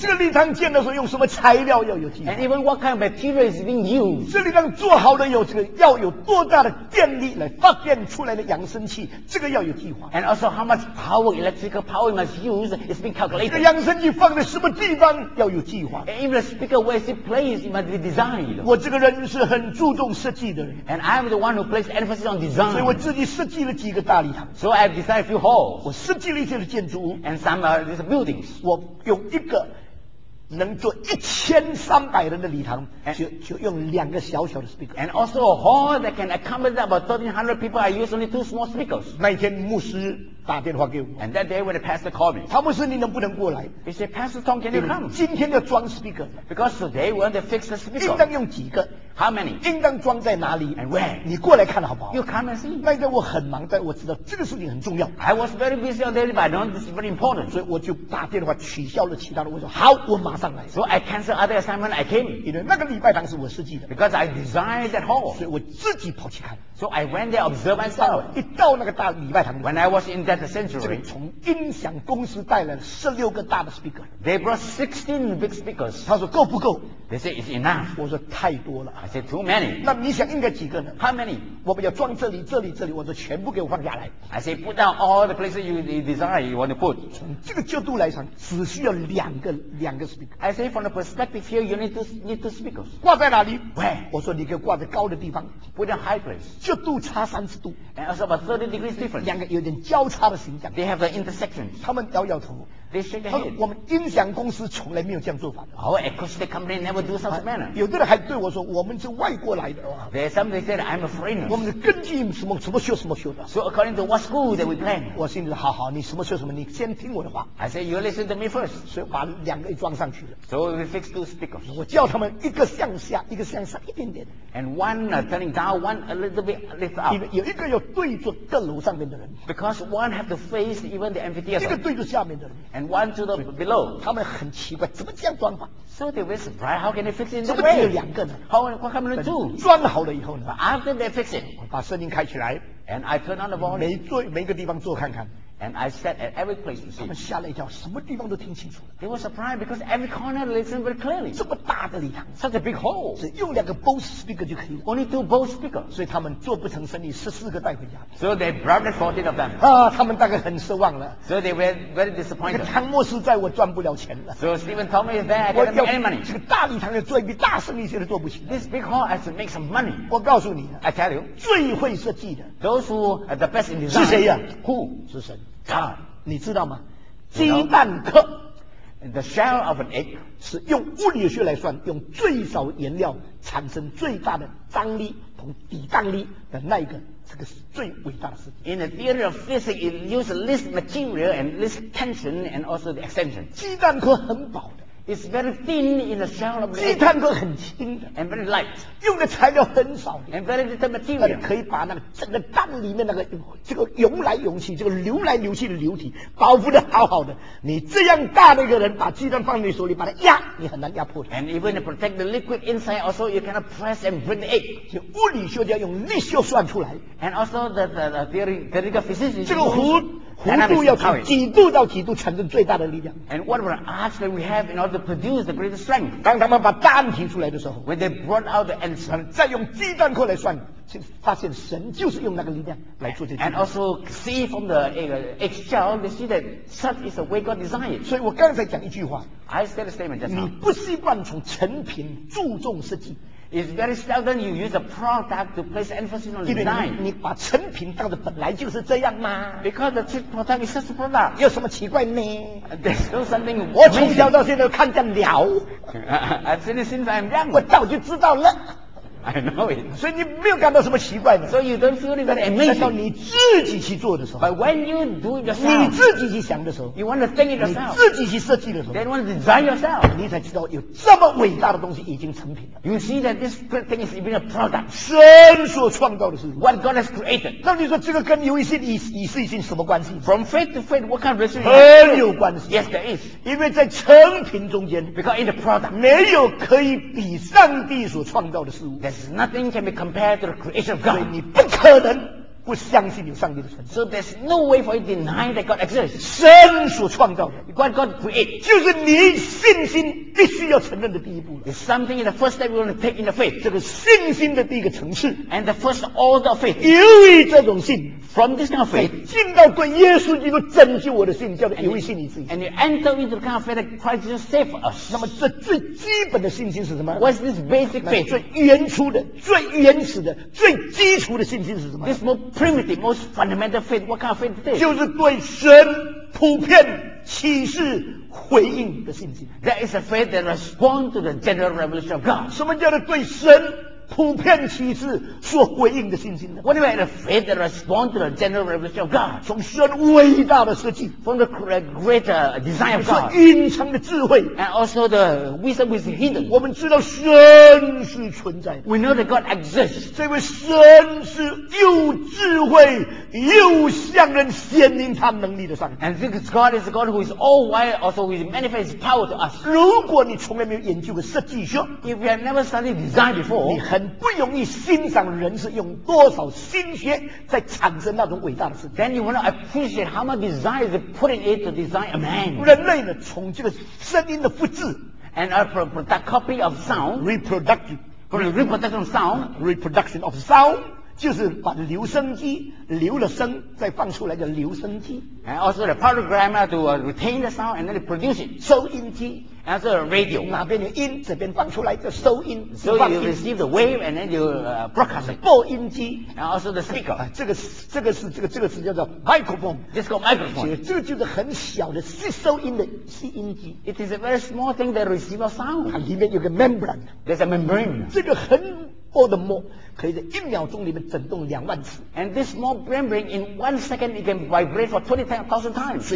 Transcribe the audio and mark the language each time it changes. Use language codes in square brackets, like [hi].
[zh] 这个地方建的时候用什么材料要有计划。 [en] And even what kind of material is being used. [zh] 这地方做好了有这个要有多大的电力来发电出来的扬声器，这个要有计划。 [en] And also how much power, electrical power must use is being calculated. [zh] 这个扬声器放在什么地方要有计划。 [en] And even the speaker where is it placed it must be designed. [zh] 我这个人是很注重设计的人。 [en] And I'm the one who places emphasis on design. [zh] 所以我自己设计了几个大礼堂。 [en] So I have designed a few halls. [zh] 我设计了一些建筑物。 [en] And some are these buildings. [zh] 我用一个能做1300人的礼堂， and, 就用两个小小的 speaker. [en] And also a hall that can accommodate about 1300 people, I use only two small speakers. [zh] 那一天牧师打电话给我。 [en] And that day when the pastor called me. [zh] 汤姆斯，你能不能过来？ [en] He said, Pastor Tom, can you come? [zh] 今天要装 speaker. [en] Because today we want to fix the speaker. [zh] 应当用几个？ [en] How many? [zh] 应当装在哪里 [en] ？And where? [zh] 你过来看好不好 [en] ？You come and see. [zh] 那天我很忙，但我知道这个事情很重要。 [en] I was very busy on that day, but I know this is very important. [zh] 所以我就打电话取消了其他的。我说好，我马上来。 [en] So I canceled other assignment. I came. [zh] 因为那个礼拜堂是我设计的。 [en] Because I designed that hall. [zh] 所以我自己跑去看。 [en] So I went there observe myself. [zh] 一到那个大礼拜堂 [en] ，When I was in that sanctuary, [zh] 这里从音响公司带了16个大的 speaker. [en] They brought 16 big speakers. [zh] 他说够不够 [en] ？They said it's enough. [zh] 我说太多了。 [en] I said too many. [zh] 那你想应该几个呢 [en] ？How many? [zh] 我们要装这里、这里、这里。我说全部给我放下来。 [en] I said put down all the places you desire you want to put. [zh] 从这个角度来讲，只需要两个 speaker. [en] I said from the perspective here, you need two speakers. [zh] 挂在哪里 [en] ？Where? [zh] 我说你可以挂在高的地方 [en] ，put in high place. [zh] 就度差30度 [en] ，and also about 30 degrees difference， [zh] 两个有点交叉的形象。 [en] They have the intersection， [zh] 他们摇摇头。 [en] They shake their head。 [zh] 我们音响公司从来没有这样做法的。 [en] Our acoustic company never do such manner。 [zh] 有的人还对我说，我们是外国来的。 [en] There's some they said I'm a foreigner。 [zh] 我们是根据什么学什么学的。 [en] So according to what school that we plan。 [zh] 我心里说，好，你什么学什么，你先听我的话。 [en] I said you listen to me first。 [zh] 所以把两个一装上去了。 [en] So we fix two speakers。 [zh] 我叫他们一个向下，一个向上一点点。 [en] And one turning down, one a little bit lift up。 [zh] 有一个要对着阁楼上面的人。 [en] Because one have to face even the amphitheater。 [zh] 一个对着下面的人。 [en] And one to the below， [zh] 他们很奇怪，怎么这样装法 [en] ？So they were surprised. How can they fix it in that way？ [zh] 怎么只有两个呢 [en] ？How what can they do？ [zh] 装好了以后呢 [en] ？After they fix it， [zh] 我把声音开起来 [en] ，and I turn on the volume， [zh] 每个地方坐看看 [en] ，and I sat at every place to see。 [zh] 他们吓了一跳，什么地方都听清楚了。 [en] They were surprised because every corner listened very clearly。 [zh] 这么大的礼堂 [en] ，such a big hall， [zh] 只用两个 Bose speaker 就可以了 [en] ，only two Bose speaker。 [zh] 所以他们做不成生意，14个带回家。 [en] So they brought 14 of them。 [zh] 啊，他们大概很失望了。 [en] So they were very disappointed。 [zh] 那个汤默斯在我赚不了钱了。 [en] So Stephen told me that I can't make any money。 [zh] 这个大礼堂要做一笔大生意，现在做不起。 [en] This big hall has to make some money。 [zh] 我告诉你 [en] ，I tell you， [zh] 最会设计的 [en] ，those who are the best in design， [zh] 是谁呀 [en] ？Who？ [zh] 是神。 [en] God， [zh] 你知道吗？鸡蛋壳。 [en] The shell of an egg [zh] 是用物理学来算，用最少颜料产生最大的张力和抵抗力的那一个，这个是最伟大的事情。 [en] In the theory of physics, it uses least material and least tension and also the extension. [zh] 鸡蛋壳很薄的 [en] ，It's very thin in the shell of an egg. [zh] 鸡蛋壳很轻的 [en] ，and very light. [zh] 用的材料很少的 [en] ，and very little material. [zh] 可以把那个整个蛋里面那个这个涌来涌去，这个流来流去的流体保护的好好的。你这样大的一个人，把鸡蛋放在你手里，把它压，你很难压破的。 [en] And even to protect the liquid inside, also you cannot press and break the egg. [zh] 就物理学家用力学算出来。 [en] And also the theory of physics. [zh] 这个弧度要从几度到几度产生最大的力量。 [en] And what were the arcs that we have in order to produce the greatest strength? [zh] 当他们把答案提出来的时候 [en] ，When they brought out the answer, [zh] 再用鸡蛋壳来算。发现神就是用那个力量来做这件 [en] 事。And also see from the egg shell, they see that such is the way God designed. [zh] 所以我刚才讲一句话 [en] ，I said a statement just now. [zh] 你不习惯从成品注重设计。 [en] It's very seldom you use a product to place emphasis on design. [zh] 你把成品当作本来就是这样吗 [en] ？Because the cheap product is just a product. [zh] 有什么奇怪呢 [en] ？There's still something. [zh] 我从小到现在看见了。 [en] I've seen it since I'm young. [zh] 我早就知道了。 [en] I know it. [zh] 所以你没有感到什么奇怪的。 [en] So you don't feel it very amazing. [zh] 但你自己去做的时候。 [en] But when you do it yourself. [zh] 你自己去想的时候。 [en] You want to think it yourself. [zh] 你自己去设计的时候。 [en] Then you want to design yourself. [zh] 你才知道有这么伟大的东西已经成品了。 [en] You see that this great thing is even a product. [zh] 神所创造的事。 [en] What God has created. [zh] 那你说这个跟以信什么关系 [en] ？From faith to faith, what kind of relationship? [zh] 很有关系。 [en] Yes, there is. [zh] 因为在成品中间。 [en] Because in the product. [zh] 没有可以比上帝所创造的事物。 [en] Nothing can be compared to the creation of God. [zh] 所以你不可能不相信有上帝的存在。 [en] So there's no way for you to deny that God exists. [zh] 神所创造的 [en] ，what God created， [zh] 就是你信心必须要承认的第一步。 [en] It's something in the first step we want to take in the faith. [zh] 这个信心的第一个层次。 [en] And the first order of faith. [zh] 由于这种信。 [en] From this kind of faith, [zh] 进到对耶稣基督拯救我的信，叫做由于信你自己。 [en] And you enter into the kind of faith that Christ Jesus saved us. [zh] 那么这最基本的信心是什么 [en] ？What's this basic faith? [zh] 最原初的、最原始的、最基础的信心是什么 [en] ？This most primitive, most fundamental faith. What kind of faith is this? [zh] 就是对神普遍启示回应的信心。 [en] That is a faith that responds to the general revelation of God. [zh] 什么叫做对神？普遍启示所回应的信心的。 [en] What do you mean the faith that responds to the general revelation of God? [zh] 从神伟大的设计 [en] ，from the greater design of God， [zh] 是隐藏的智慧 [en] ，and also the wisdom is hidden。 [zh] 我们知道神是存在的 [en] ，we know that God exists。 [zh] 这位神是又智慧又向人显明他能力的上帝 [en] ，and this God is a God who is all wise, also who manifests power to us。 [zh] 如果你从来没有研究过设计学 [en] ，if you have never studied design before。 [zh] 很不容易欣赏人是用多少心血在产生那种伟大的事情。 [en] Then you want to appreciate how much design is putting it to design a man. [zh] 人类呢，从这个声音的复制 [en] ，and a product copy of sound, reproduction of sound [zh] 就是把留声机留了声再放出来的留声机 [en] ，and also the programmer to retain the sound and then produce it. [zh] 收音机。 [en] As a radio, [zh] 哪边有音，这边放出来就收音。 [en] So you receive the wave and then you broadcast it. [zh] 播音机 [en] ，and also the speaker. [zh] 这个是叫做 microphone. [en] Just called microphone. [zh] 这个就是很小的收音的吸音机。 [en] It is a very small thing that receives a sound. [zh] 它里面有个 membrane. [en] There's a membrane. [zh] 这个很厚的膜，可以在一秒钟里面震动两万次。 [en] And this small membrane in 1 second it can vibrate for 20,000 times.